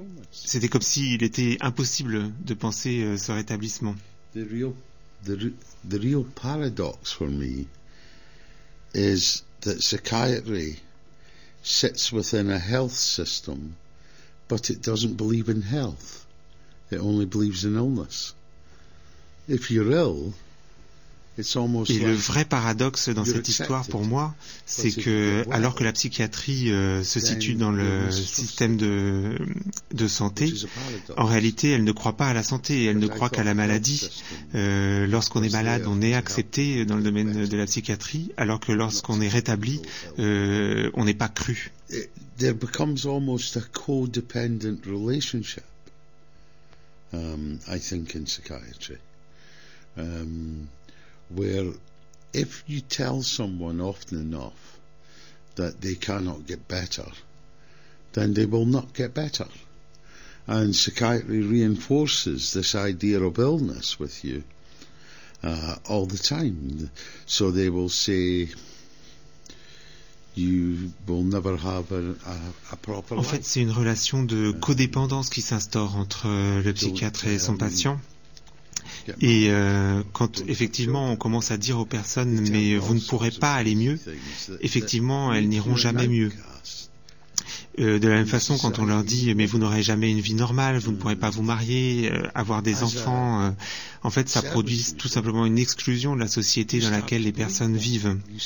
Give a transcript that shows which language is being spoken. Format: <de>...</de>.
<fr>C'était comme s'il était impossible de penser ce rétablissement.</fr> <en>The real paradox for me is that psychiatry sits within a health system. But it doesn't believe in health. It only believes in illness. If you're ill,</en> <fr>Et le vrai paradoxe dans cette histoire pour moi, c'est que alors que la psychiatrie se situe dans le système de santé, en réalité elle ne croit pas à la santé, elle ne croit qu'à la maladie. Lorsqu'on est malade, on est accepté dans le domaine de la psychiatrie, alors que lorsqu'on est rétabli, on n'est pas cru.</fr> <en>There becomes almost a codependent relationship, I think, in psychiatry. Where if you tell someone often enough that they cannot get better, then they will not get better. And psychiatry reinforces this idea of illness with you all the time. So they will say, you will never have a proper life.</en> <fr>En fait, c'est une relation de codépendance qui s'instaure entre le psychiatre et son patient. Et quand effectivement on commence à dire aux personnes « mais vous ne pourrez pas aller mieux », effectivement elles n'iront jamais mieux. De la même façon, quand on leur dit « mais vous n'aurez jamais une vie normale, vous ne pourrez pas vous marier, avoir des enfants », en fait ça produit tout simplement une exclusion de la société dans laquelle les personnes vivent.</fr>